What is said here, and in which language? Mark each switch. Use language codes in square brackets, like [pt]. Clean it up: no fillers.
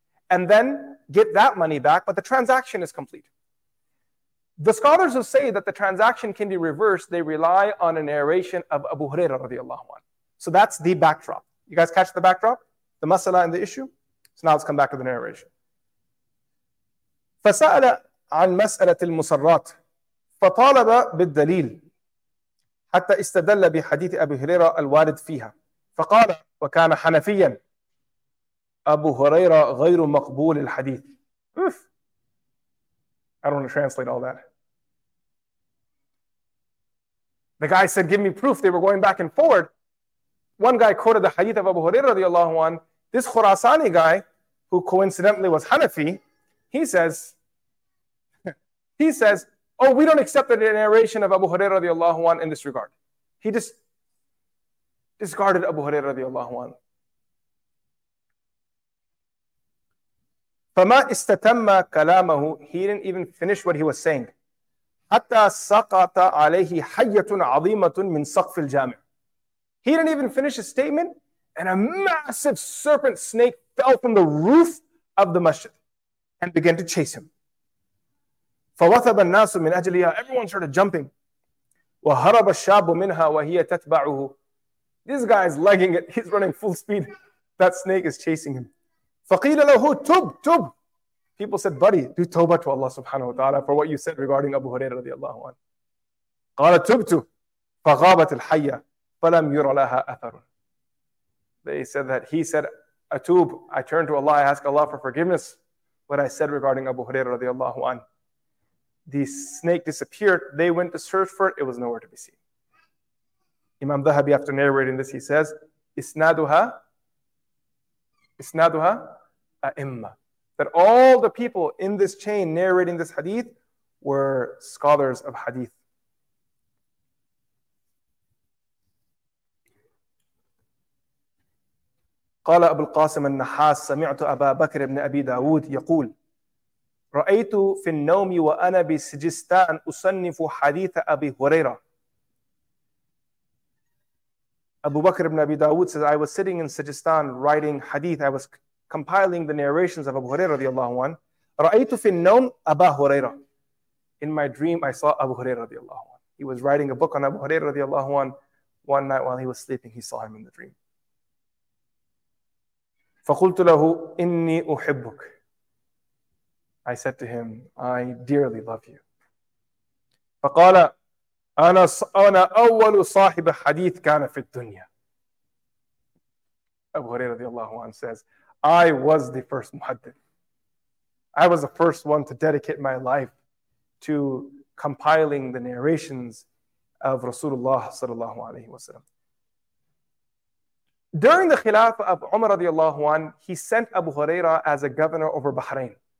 [en] And then get that money back, but the transaction is complete. The scholars who say that the transaction can be reversed, they rely on a narration of Abu Hurairah radiallahu anhu. So that's the backdrop. You guys catch the backdrop? The masala and the issue? So now let's come back to the narration. [ar] فَسَأَلَ عَنْ مَسْأَلَةِ الْمُسَرَّاتِ فَطَالَبَ بِالدَّلِيلِ حتى استدل بحديث أبي هريرة الوارد فيها فقال وكان حنفيا أبو هريرة غير مقبول الحديث Oof. [en] I don't want to translate all that. The guy said, give me proof. They were going back and forward. One guy quoted the hadith of Abu Hurairah radiallahu anhu. This Khurasani guy, who coincidentally was Hanafi, he says, oh, we don't accept the narration of Abu Hurairah radiallahu anhu in this regard. He just discarded Abu Hurairah radiallahu anhu. [ar] فَمَا إِسْتَتَمَّ كَلَامَهُ [en] He didn't even finish what he was saying. [ar] حَتَّى سَقَطَ عَلَيْهِ حَيَّةٌ عَظِيمَةٌ مِنْ سَقْفِ الْجَامِعِ [en] He didn't even finish his statement and a massive serpent snake fell from the roof of the masjid and began to chase him. [ar] فَوَثَبَ النَّاسُ مِنْ أَجْلِهَا [en] Everyone started jumping. [ar] وَهَرَبَ الشَّابُ مِنْهَا وَهِيَ تَتْبَعُهُ [en] This guy is lagging it. He's running full speed. That snake is chasing him. [ar] فَقِيلَ لَهُ تُبْ تُبْ [en] People said, buddy, do tawbah to Allah subhanahu wa ta'ala for what you said regarding Abu Hurairah radiallahu anhu. [ar] قَالَ تُبْتُ فَغَابَتِ الْحَيَّةِ فَلَمْ يُرَ لَهَا أَثَرٌ [en] They said that he said, Atub, I turn to Allah, I ask Allah for forgiveness. What I said regarding Abu Hurairah radiallahu anhu. The snake disappeared. They went to search for it. It was nowhere to be seen. Imam Dhahabi, after narrating this, he says, Isnaduha a'imma. That all the people in this chain narrating this hadith were scholars of hadith. [ar] قال أبو القاسم النحاس سمعت أبا بكر بن أبي داود يقول رأيت في النوم وأنا بسجستان أصنف حديث أبي هريرة [en] Abu Bakr ibn Abi Dawood says, I was sitting in Sijistan writing hadith. I was compiling the narrations of Abu Hurairah radiallahu anhu. [ar] رَأَيْتُ فِي النَّوْمِ أَبَا هُرَيْرَةَ [en] In my dream, I saw Abu Hurairah radiallahu anhu. He was writing a book on Abu Hurairah radiallahu anhu. One night while he was sleeping, he saw him in the dream. [ar] فَقُلْتُ لَهُ إِنِّي أُحِبُّكَ [en] I said to him, I dearly love you. [ar] فَقَالَ أنا أول صاحب حديث كان في الدنيا. [en] Abu Hurairah رضي الله عنه says, I was the first muhaddith. I was the first one to dedicate my life to compiling the narrations of Rasulullah صلى الله عليه وسلم. During the Khilafah of Umar رضي الله عنه, he sent Abu Hurairah as a governor over Bahrain.